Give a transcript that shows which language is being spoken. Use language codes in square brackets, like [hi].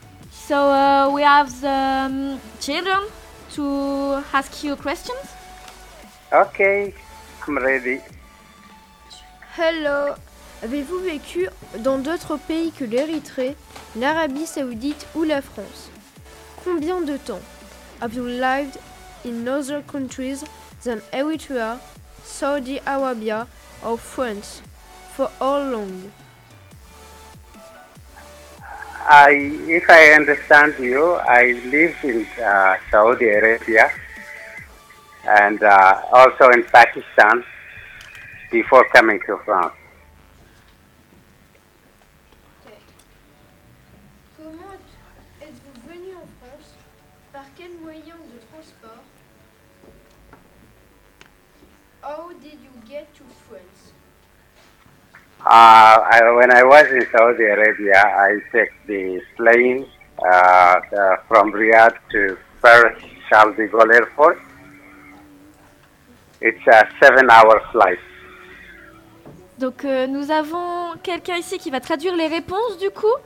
[en] So we have the children to ask you questions. Okay, I'm ready. Hello. [fr] Avez-vous vécu dans d'autres pays que l'Érythrée, l'Arabie Saoudite ou la France? Combien de temps? [en] Have you lived in other countries than Eritrea, Saudi Arabia or France? For how long? If I understand you, I live in Saudi Arabia and also in Pakistan before coming to France. [fr] Okay. Comment êtes-vous venu en France? Par quel moyen de transport? [en] How did you get to France? When I was in Saudi Arabia, I took the plane from Riyadh to Paris Charles de Gaulle Airport. It's a 7-hour flight. [fr] Donc nous avons quelqu'un ici qui va traduire les réponses du coup.